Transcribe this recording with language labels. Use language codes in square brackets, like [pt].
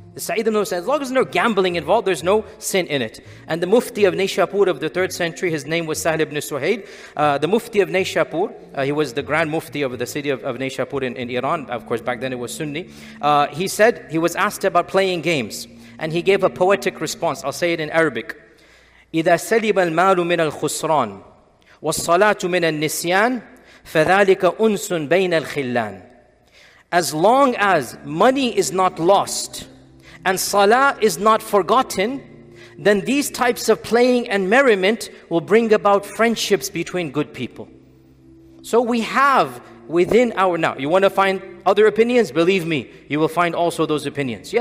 [en] The Sa'id ibn al-Musayyib, as long as there's no gambling involved, there's no sin in it. And the Mufti of Nishapur of the 3rd century, his name was Sahl ibn Suhaid. The Mufti of Nishapur, he was the Grand Mufti of the city of Nishapur in Iran. Of course, back then it was Sunni. He said, he was asked about playing games. And he gave a poetic response. I'll say it in Arabic. [ar] إِذَا سَلِبَ الْمَالُ مِنَ الْخُسْرَانِ والصلاة من النسيان فذلك أنس بين الخلان. [en] As long as money is not lost and salah is not forgotten, then these types of playing and merriment will bring about friendships between good people. So we have within our, now you want to find other opinions, believe me, you will find also those opinions.